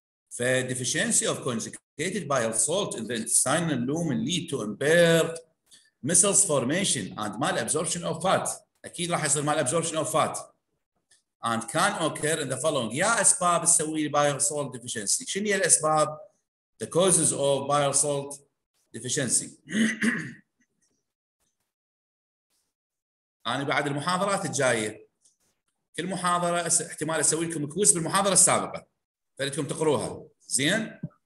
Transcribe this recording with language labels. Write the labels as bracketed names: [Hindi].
[English] فديفيشنسي of conjugated bile salt in the sign اللومن led to impaired missiles formation and malabsorption of fat. [Arabic] أكيد راح يصير [English] malabsorption of fat and can occur in the following. [Arabic] يا أسباب تسوي bile salt deficiency. شنو هي الأسباب [English] the causes of bile salt deficiency. [Arabic] أنا بعد المحاضرات الجاية كل محاضرة احتمال أسوي لكم كويز بالمحاضرة السابقة فلتكم تقروها زين.